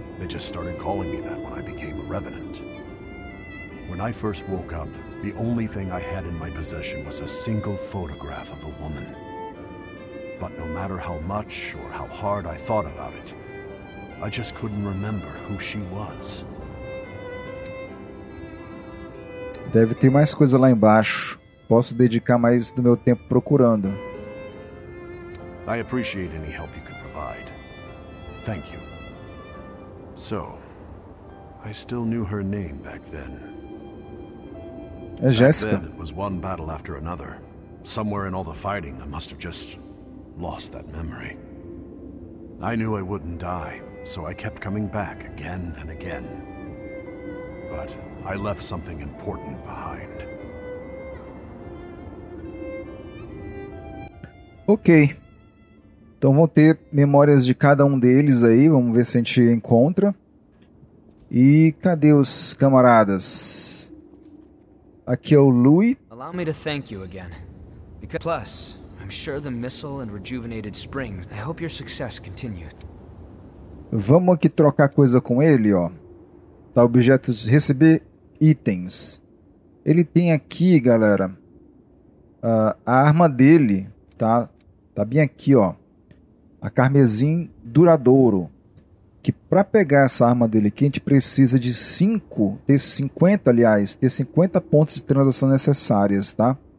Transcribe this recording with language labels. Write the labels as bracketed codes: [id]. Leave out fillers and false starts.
[en] They just started calling me that when I became a revenant. When I first woke up, the only thing I had in my possession was a single photograph of a woman. But no matter how much or how hard I thought about it, I just couldn't remember who she was. [pt] Deve ter mais coisa lá embaixo. Posso dedicar mais do meu tempo procurando. [en] I appreciate any help you can provide. Thank you. So, I still knew her name back then. [pt] É Jessica. [en] Back then, it was one battle after another. Somewhere in all the fighting, I must have just lost that memory. I knew I wouldn't die, so I kept coming back again and again. But I left something important behind. Ok. [pt] Então vou ter memórias de cada um deles aí, vamos ver se a gente encontra. E cadê os camaradas? Aqui é o Louis. [en] Allow me to thank you again. Because plus, I'm sure the missile and rejuvenated springs. I hope your success continues. [pt] Vamos aqui trocar coisa com ele, ó. Tá, objetos, receber itens. Ele tem aqui, galera, a arma dele, tá? Tá bem aqui, ó. A carmesim duradouro. Que para pegar essa arma dele aqui, a gente precisa de 5, ter 50, aliás, ter 50 pontos de transação necessárias, tá?